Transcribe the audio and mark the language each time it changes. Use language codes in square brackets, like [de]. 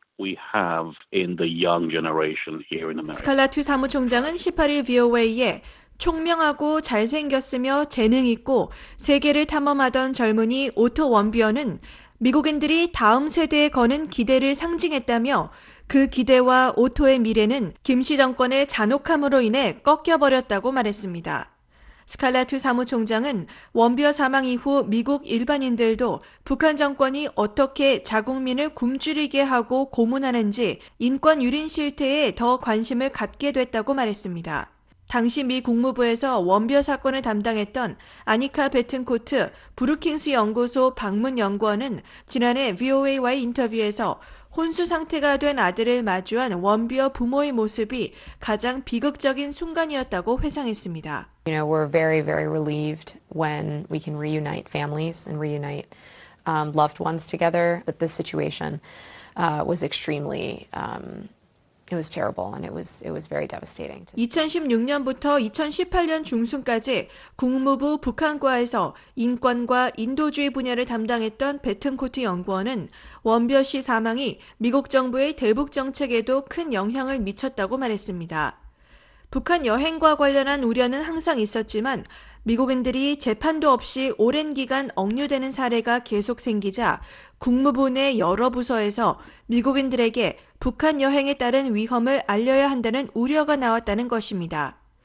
[en] We have in the young generation here in America. [ko] 스칼라투 사무총장은 18일 VOA에 총명하고 잘생겼으며 재능 있고 세계를 탐험하던 젊은이 오토 원비어는 미국인들이 다음 세대에 거는 기대를 상징했다며 그 기대와 오토의 미래는 김씨 정권의 잔혹함으로 인해 꺾여버렸다고 말했습니다. 스칼라투 사무총장은 원비어 사망 이후 미국 일반인들도 북한 정권이 어떻게 자국민을 굶주리게 하고 고문하는지 인권 유린 실태에 더 관심을 갖게 됐다고 말했습니다. 당시 미 국무부에서 원비어 사건을 담당했던 아니카 베튼코트 브루킹스 연구소 방문 연구원은 지난해 VOA와의 인터뷰에서 혼수 상태가 된 아들을 마주한 원비어 부모의 모습이 가장 비극적인 순간이었다고 회상했습니다. [en] You know, we're very, very relieved when we can reunite families and reunite loved ones together. But this situation was extremely, it was terrible and it was very devastating. [ko] 2016년부터 2018년 중순까지 국무부 북한과에서 인권과 인도주의 분야를 담당했던 베튼코트 연구원은 원비어 씨 사망이 미국 정부의 대북 정책에도 큰 영향을 미쳤다고 말했습니다. 북한 여행과 관련한 우려는 항상 있었지만 미국인들이 재판도 없이 오랜 기간 억류되는 사례가 계속 생기자 국무부 내 여러 부서에서 미국인들에게 북한 여행에 따른 위험을 알려야 한다는 우려가 나왔다는 것입니다.